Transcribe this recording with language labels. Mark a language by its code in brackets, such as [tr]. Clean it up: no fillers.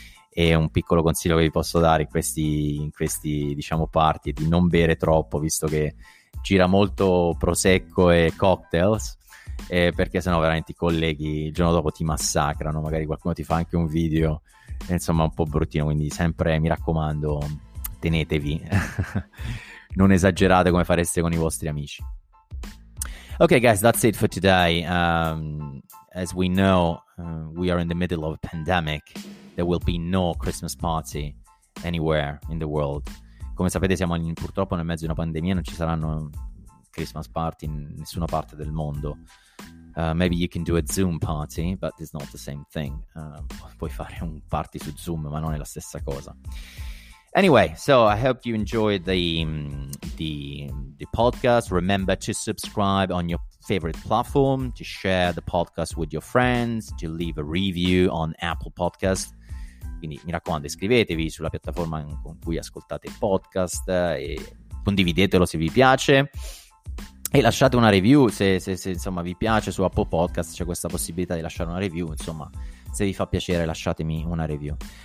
[it] E un piccolo consiglio che vi posso dare in questi diciamo party è di non bere troppo, visto che gira molto prosecco e cocktails, perché sennò veramente i colleghi il giorno dopo ti massacrano, magari qualcuno ti fa anche un video, insomma, un po' bruttino. Quindi sempre, mi raccomando, tenetevi. Non esagerate come fareste con i vostri amici. [en] Okay, guys, that's it for today. As we know, we are in the middle of a pandemic. There will be no Christmas party anywhere in the world. [it] Come sapete, siamo purtroppo nel mezzo di una pandemia, non ci saranno Christmas party in nessuna parte del mondo. [en] Maybe you can do a Zoom party, but it's not the same thing. [it] Puoi fare un party su Zoom, ma non è la stessa cosa. [en] Anyway, so I hope you enjoyed the podcast. Remember to subscribe on your favorite platform, to share the podcast with your friends, to leave a review on Apple Podcast. [it] Quindi mi raccomando, iscrivetevi sulla piattaforma con cui ascoltate il podcast e condividetelo se vi piace. E lasciate una review se insomma vi piace su Apple Podcast, c'è questa possibilità di lasciare una review, insomma, se vi fa piacere lasciatemi una review.